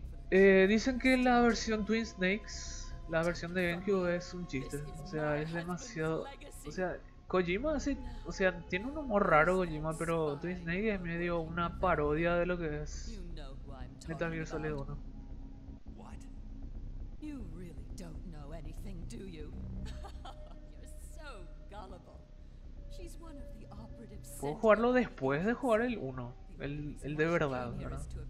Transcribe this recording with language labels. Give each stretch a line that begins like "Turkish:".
Spanish: Dicen que la versión Twin Snakes, la versión de GameCube, es un chiste. O sea, es demasiado. O sea, Kojima hace. O sea, tiene un humor raro Kojima, pero Twin Snakes es medio una parodia de lo que es Metal Gear Solid 1.
English: You really don't know anything, do you? You're so gullible. She's one of the operatives.
Spanish: Puedo jugarlo después de jugar el 1. El de verdad, ¿verdad?